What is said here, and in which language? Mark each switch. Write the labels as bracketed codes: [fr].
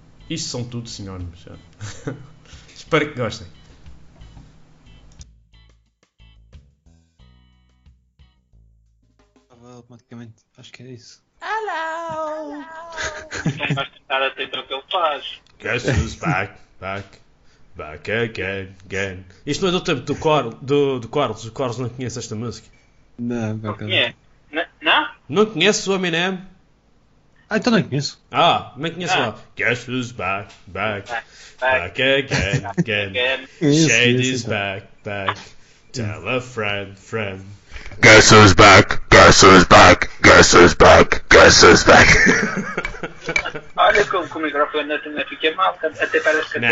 [pt] Isto são tudo sinónimos. Espero que gostem. Automaticamente, acho que é isso. [en] Hello! [pt] Estar atento ao que ele faz. [en] Guess who's back, back, back again, again. [pt] Isto não é do tempo do Coral, do Coral. O Coral não conhece esta música. Não, Não bacana. conhece? Não? Não conhece o Eminem? Ah, então não conheço. Ah, não conhece lá. [en] Guess who's back, back, back again, again. Shade is back, back. Tell a friend, friend. Guess who's back, guess who's back, guess who's back, guess who's back. [pt] Olha como o microfone não fica mal, até parece que